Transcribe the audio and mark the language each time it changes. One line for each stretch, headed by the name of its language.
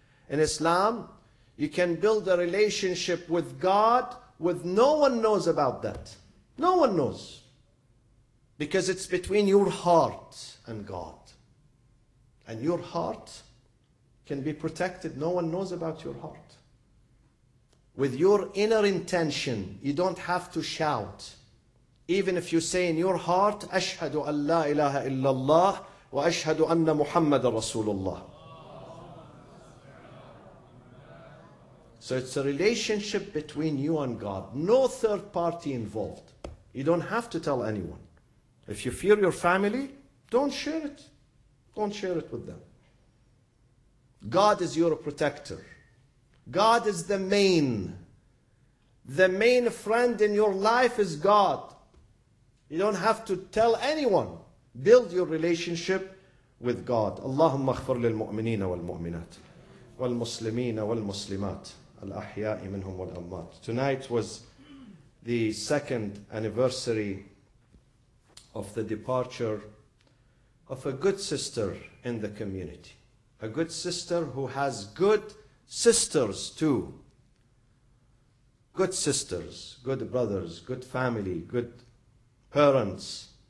English: In Islam, you can build a relationship with God with no one knows about that. No one knows. Because it's between your heart and God. And your heart can be protected. No one knows about your heart. With your inner intention, you don't have to shout. Even if you say in your heart,
Arabic: أشهد أن لا إله إلا الله وأشهد أن محمد رسول الله.
English: So it's a relationship between you and God. No third party involved. You don't have to tell anyone. If you fear your family, don't share it. Don't share it with them. God is your protector. God is the main. The main friend in your life is God. You don't have to tell anyone. Build your relationship with God.
Arabic: Allahumma اغفر للمؤمنين والمؤمنات والمسلمين والمسلمات الأحياء منهم والأموات.
English: Tonight was the second anniversary of the departure of a good sister in the community. A good sister who has good sisters too. Good sisters, good brothers, good family, good parents.